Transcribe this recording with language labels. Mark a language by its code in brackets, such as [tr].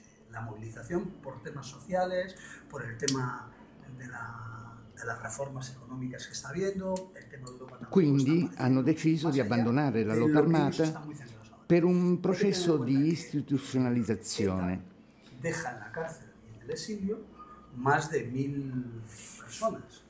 [es] La mobilización por temas sociales, por el tema de las reformas económicas que está habiendo, el tema de Europa. [it] Quindi hanno deciso di abbandonare la lotta armata per un processo di istituzionalizzazione. [es] deja en la cárcel y en el exilio más de 1000 personas.